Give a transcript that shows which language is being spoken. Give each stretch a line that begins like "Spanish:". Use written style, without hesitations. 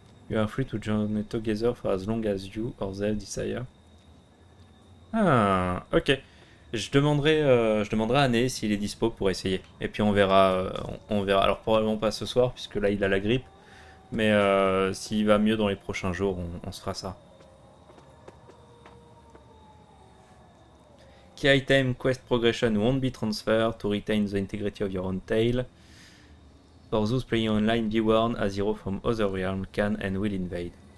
English: You are free to journey together for as long as you or they desire. Ah, ok.
French: Je demanderai à Né s'il est dispo pour essayer. Et puis on verra. Alors probablement pas ce soir, puisque là il a la grippe. Mais s'il va mieux dans les prochains jours, on se fera ça.
English: Key item, quest progression won't be transferred to retain the integrity of your own tale. For those playing online, be warned, as heroes from other realms can and will invade.